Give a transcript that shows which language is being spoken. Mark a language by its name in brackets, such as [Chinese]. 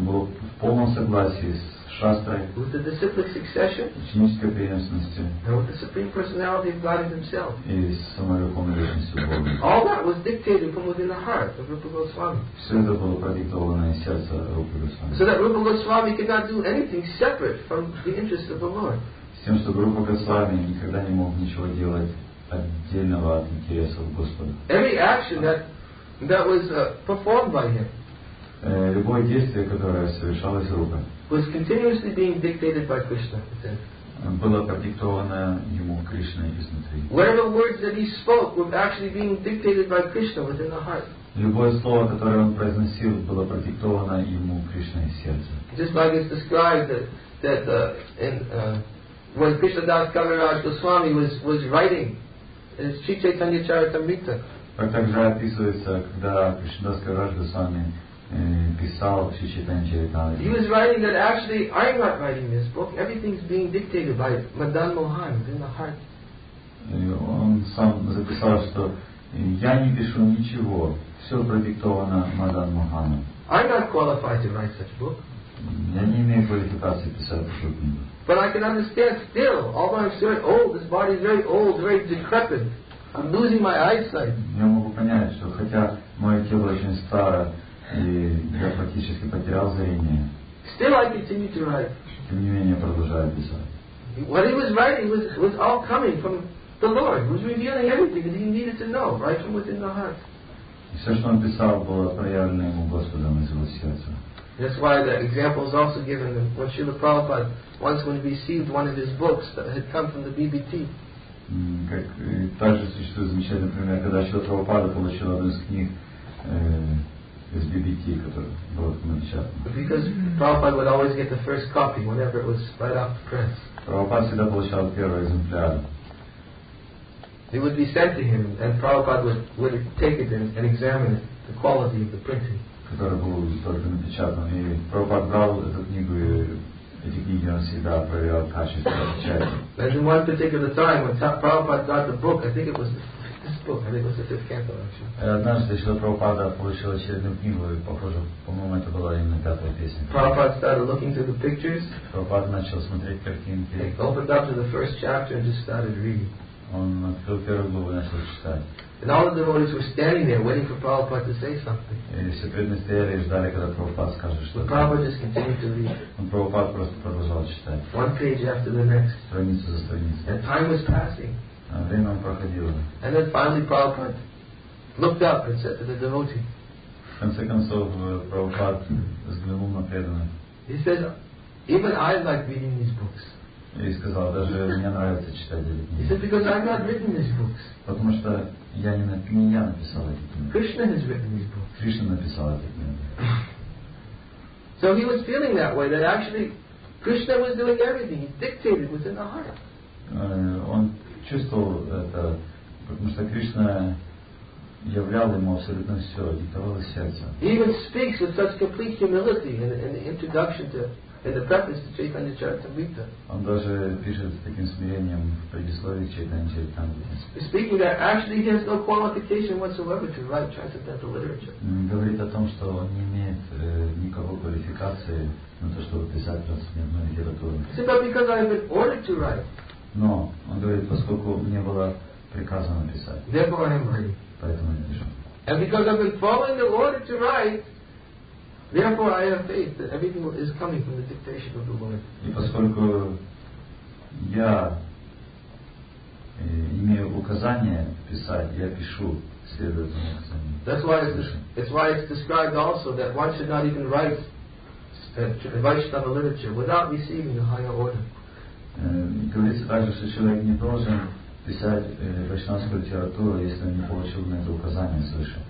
[Russian] было в полном согласии с Шастрой, [English] with the disciplic succession, [Russian] ученической преемственностью, [English] and with the supreme personality of God himself. [Russian] И самой верховной личностью Бога. [English] All that was dictated from within the heart of Rupa Goswami. [Russian] Все это было продиктовано из сердца Рупы Госвами. [English] So that Rupa Goswami could not do anything separate from the interests of the Lord. [Russian] С тем, чтобы Рупа Госвами никогда не мог ничего делать отдельного от интересов Господа. [English] Every action that was performed by him. [Russian] Любое действие, которое совершалось Рупой. [English] Was continuously being dictated by Krishna. [Russian] Было продиктовано ему Кришной изнутри. [English] Whatever words that he spoke were actually being dictated by Krishna within the heart. [Russian] Любое слово, которое он произносил, было продиктовано ему Кришной из сердца. [English] Just like it's described that when Krishna Das Kaviraj Goswami was writing in his Sri Chaitanya Charitamrita. [Russian] Так также описывается, когда Кришна Дас Кавираж Госвами писал Шри Чайтанья Чаритамрита. [English] He was writing that actually I am not writing this book. Everything is being dictated by Madan Mohan in the heart. [Russian] Он сам записал, что я не пишу ничего. Все продиктовано Мадан Моханом. [English] I'm not qualified to write such book. [Russian] Я не имею квалификации писать такую книгу. [English] But I can understand still. Although I'm very old, this body is very old, very decrepit. I'm losing my eyesight. [Russian] Я могу понять, что хотя мое тело очень старое, и я практически потерял зрение. [English] Still I continue to write. [Russian] Тем не менее, продолжаю писать. [English] What he was writing was all coming from the Lord. He was revealing everything that he needed to know right from within the heart. [Russian] И все, что он писал, было проявлено ему Господом из его сердца. [English] That's why the example is also given when Srila Prabhupada once when he received one of his books that had come from the BBT. [Russian] Как также существует замечательный пример, когда Шрила Прабхупада получил одну из книг из BBT, который был напечатан. [English] Because Prabhupada would always get the first copy whenever it was right off the press. [Russian] Прабхупада всегда получал первый экземпляр. [English] It would be sent to him, and Prabhupada would take it and examine it, the quality of the printing. [Russian] Который был только напечатан, и Прабхупада брал эту книгу, и эти книги он всегда проверял качество печати. [English] And in one particular time, when Prabhupada got the book, I think it was this book, I think it was the fifth canto, actually. [Russian] Однажды Шрила Прабхупада получил очередную книгу, и, похоже, по-моему, это была именно пятая песня. [English] Prabhupada started looking through the pictures. [Russian] Прабхупада начал смотреть картинки. [English] He opened up to the first chapter and just started reading. [Russian] Он открыл первую главу и начал читать. [English] And all the devotees were standing there waiting for Prabhupada to say something. [Russian] И все преданные стояли и ждали, когда Прабхупада скажет что-то. [English] Prabhupada just continued to read. [Russian] Он Прабхупада просто продолжал читать. [English] One page after the next. [Russian] Страница за страницей. [English] And time was passing. [Russian] Время проходило. [English] And then finally Prabhupada looked up and said to the devotee. [Russian] В конце концов, Прабхупада взглянул на преданных. [English] He said, even I like reading these books. [Russian] И сказал, даже мне нравится читать эти книги. [English] He said, because I've not written these books. [Russian] Потому что не я написал эти книги. [English] Krishna has written these books. [Russian] Кришна написал эти книги. [English] So he was feeling that way, that actually Krishna was doing everything. He dictated within the heart. [Russian] Он чувствовал это, потому что Кришна являл ему абсолютно все, диктовал из сердца. [English] He even speaks with such complete humility in the introduction to [Russian] Это преface Чайтанья Чаритамрита. Он даже пишет с таким смирением в предисловии Чайтанья Чаритамрита. [English] Speaking that actually he has no qualification whatsoever to write transcendental literature. [Russian] Говорит о том, что он не имеет никакой квалификации на то, чтобы писать трансцендентную литературу. [English] But because I've been ordered to write. [Russian] Но он говорит, поскольку мне было приказано писать. [English] Therefore I am ready. [Russian] Поэтому я пишу. [English] And because I've been following the order to write. Therefore, I have faith that everything is coming from the dictation of the Lord. [Russian] И поскольку я имею указание писать, я пишу следовательно. [English] That's why it's described also that one should not even write Vaishnava literature without receiving a higher order. [Russian] Говорится также, что человек не должен писать вайшнавскую литературу, если он не получил на это указание свыше.